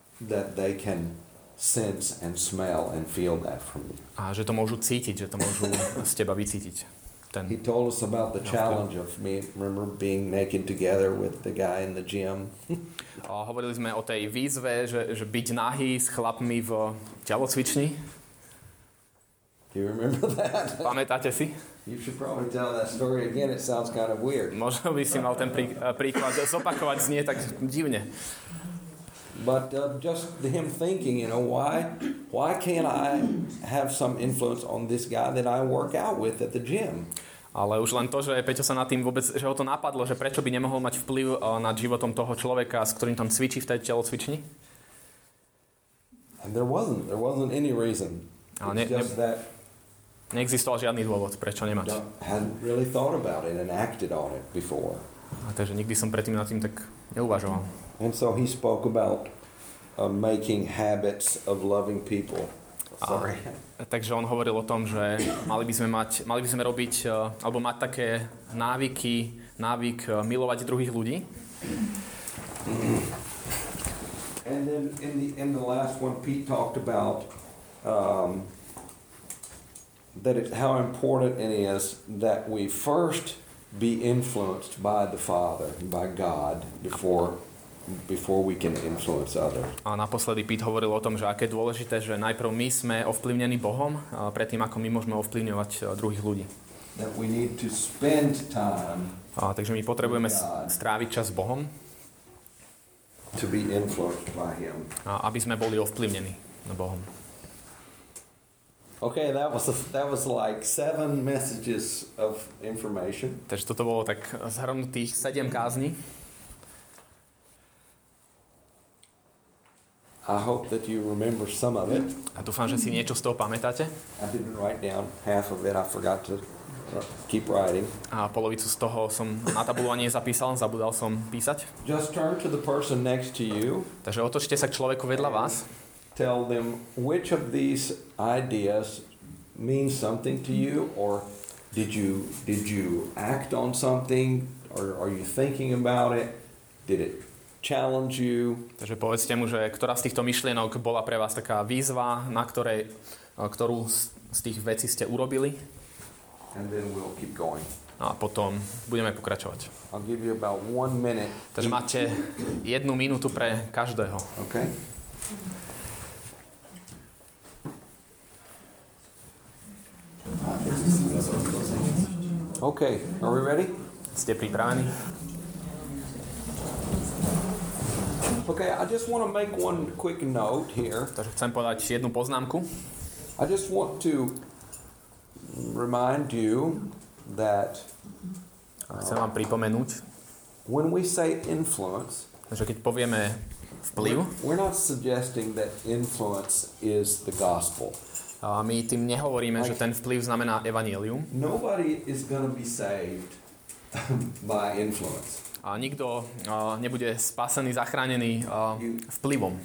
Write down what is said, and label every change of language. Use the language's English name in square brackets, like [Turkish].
[English] that they can sense and smell and feel that from you. [Slovak] A že to môžu cítiť, že to môžu z teba vycítiť. [English] He told us about the challenge of me, remember, being naked together with the guy in the gym. [Slovak] A hovorili sme o tej výzve, že byť nahý s chlapmi v telocvični. [English] Do you remember that? [Slovak] Pamätáte si? [English] You should probably tell that story again, it sounds kind of weird. [Slovak] Možno by si mal ten príklad zopakovať, znie tak divne. [English] But just him thinking, you know, why can't I have some influence on this guy that I work out with at the gym? [Slovak] Ale už len to, že Peťo sa nad tým vôbec, že ho to napadlo, že prečo by nemohol mať vplyv nad životom toho človeka, s ktorým tam cvičí v tej telocvični? [English] And there wasn't any reason. [Slovak] Neexistoval žiadny dôvod, prečo nemať. [English] Hadn't really thought about it and acted on it before. [Slovak] A takže nikdy som predtým nad tým tak neuvažoval. [English] And so he spoke about making habits of loving people. Sorry. [Slovak] Takže on hovoril o tom, že mali by sme robiť alebo mať také návyky, návyk milovať druhých ľudí. [English] And then in the last one Pete talked about that it, how important it is that we first be influenced by the Father, by God before we can influence others. [Slovak] A naposledy Pete hovoril o tom, že aké dôležité, že najprv my sme ovplyvnení Bohom, predtým ako my môžeme ovplyvňovať druhých ľudí. [English] That we need to spend time. [Slovak] A takže my potrebujeme stráviť čas s Bohom. [English] To be influenced by him. [Slovak] A aby sme boli ovplyvnení Bohom. [English] Okay, that was like 7 messages of information. [Slovak] Takže toto bolo tak zhrnutých 7 kázni. [English] I hope that you remember some of it. [Slovak] A dúfam, že si niečo z toho pamätáte. [English] I didn't write down half of it. I forgot to keep writing. [Slovak] A polovicu z toho som na tabulu ani nezapísal, zabudal som písať. [English] Just turn to the person next to you. [Slovak] Takže otočte sa k človeku vedľa vás. [English] Tell them which of these ideas means something to you, or did you act on something, or are you thinking about it? Did it challenge you? [Slovak] Takže povedzte mu, že ktorá z týchto myšlienok bola pre vás taká výzva, ktorú z tých vecí ste urobili. [English] And then we'll keep going. [Slovak] A potom budeme pokračovať. [English] I'll give you about 1 minute. [Slovak] Takže máte 1 minútu pre každého. [English] Okay. Okay, are we ready? [Slovak] Ste pripravení? [English] Okay, I just want to make one quick note here. [Slovak] Takže chcem podať jednu poznámku. [English] I just want to remind you that [Slovak] chcem vám pripomenúť, [English] when we say influence, [Slovak] že keď povieme vplyv, [English] we're not suggesting that influence is the gospel. [Slovak] A my tým nehovoríme, like, že ten vplyv znamená evanjelium. [English] Nobody is going to be saved by influence. [Slovak] A nikto nebude spasený, zachránený vplyvom.